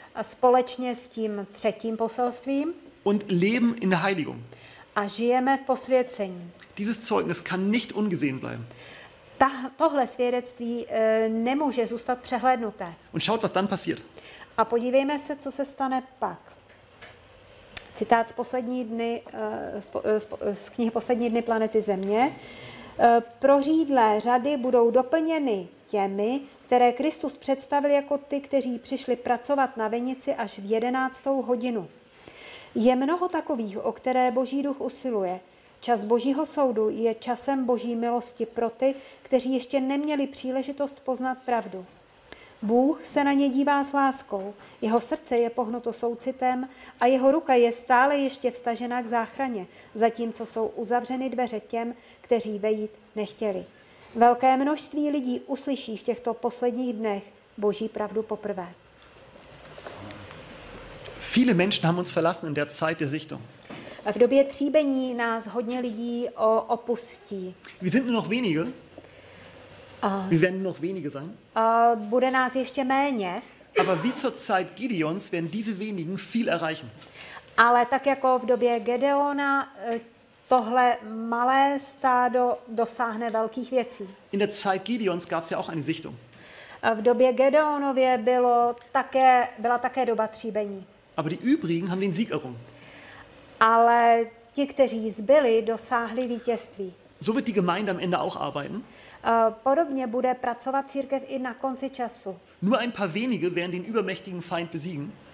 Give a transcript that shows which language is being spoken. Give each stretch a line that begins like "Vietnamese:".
Czech: Společně s tím třetím poselstvím.
German: Und leben in der Heiligung.
Czech: A žijeme v posvěcení.
German: Dieses Zeugnis kann nicht ungesehen bleiben.
Czech: Tohle svědectví nemůže zůstat přehlédnuté.
German: Und schaut, was dann passiert.
Czech: A podívejme se, co se stane pak. Citát z poslední dny, z knihy Poslední dny planety Země. Prořídlé řady budou doplněny těmi, které Kristus představil jako ty, kteří přišli pracovat na vinici až v 11. hodinu. Je mnoho takových, o které Boží duch usiluje. Čas Božího soudu je časem Boží milosti pro ty, kteří ještě neměli příležitost poznat pravdu. Bůh se na ně dívá s láskou, jeho srdce je pohnuto soucitem a jeho ruka je stále ještě vztažena k záchraně, zatímco jsou uzavřeny dveře těm, kteří vejít nechtěli. Velké množství lidí uslyší v těchto posledních dnech Boží pravdu poprvé.
German: Viele Menschen haben uns verlassen in der Zeit der Sichtung.
Czech: V době tříbení nás hodně lidí opustí.
German: Wir sind nur noch wenige. Wir werden noch wenige sein.
Czech: Bude nás ještě méně.
German: Aber wie zur Zeit Gideons werden diese wenigen viel erreichen.
Czech: Ale tak jako v době Gedeona tohle malé stádo dosáhne velkých věcí.
German: In der Zeit Gideons gab es ja auch eine Sichtung.
Czech: V době Gedeonově byla také doba tříbení.
German: Aber die übrigen haben den Sieg errungen.
Czech: Ale ti, kteří zbyli, dosáhli vítězství.
German: So wird die Gemeinde am Ende auch arbeiten.
Czech: Podobně bude pracovat církev i na konci času.
German: Nur ein paar wenige werden den übermächtigen Feind besiegen.